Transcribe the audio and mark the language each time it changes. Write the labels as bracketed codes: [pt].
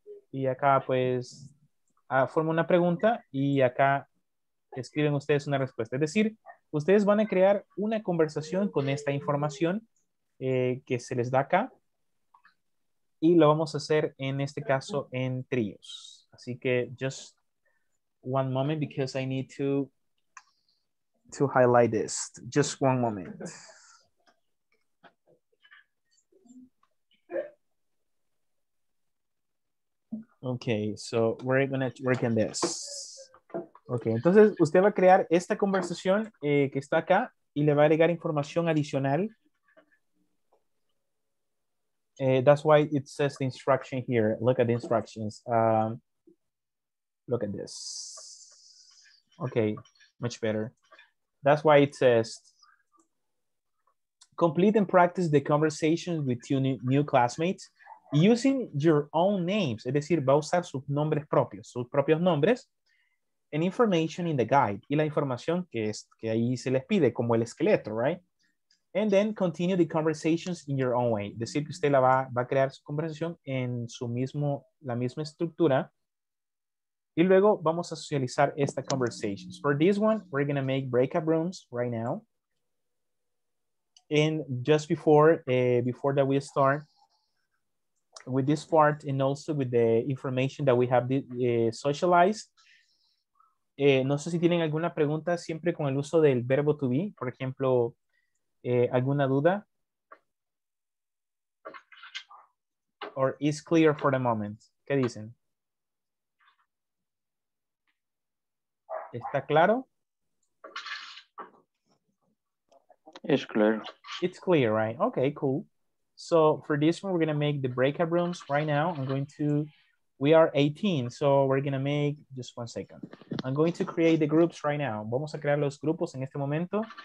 [es] Y acá, pues, forma una pregunta, y acá escriben ustedes una respuesta. Es decir, ustedes van a crear una conversación con esta información que se les da acá. Y lo vamos a hacer, en este caso, en tríos. Así que, [en] just one moment, because I need to highlight this. Just one moment. Okay, so we're going to work on this. [es] Okay, entonces, usted va a crear esta conversación que está acá y le va a agregar información adicional. [en] That's why it says the instruction here. Look at the instructions. Look at this. Okay, much better. That's why it says, complete and practice the conversation with two new classmates using your own names. [es] Es decir, va a usar sus nombres propios, sus propios nombres, [en] and information in the guide. [es] Y la información que ahí se les pide, como el esqueleto, right? [en] And then continue the conversations in your own way. [es] Decir que usted va a crear su conversación en su mismo, la misma estructura. Y luego vamos a socializar esta conversation. [en] For this one, we're going to make breakout rooms right now. And just before, before that we start with this part and also with the information that we have socialized. [es] No sé si tienen alguna pregunta siempre con el uso del verbo to be. Por ejemplo, alguna duda? [en] Or is clear for the moment? [es] ¿Qué dicen? ¿Está claro? [en] It's clear. It's clear, right? Okay, cool. So for this one, we're going to make the breakout rooms right now. I'm going to, we are 18, so we're going to make, just one second. I'm going to create the groups right now. [es] Vamos a crear los grupos en este momento.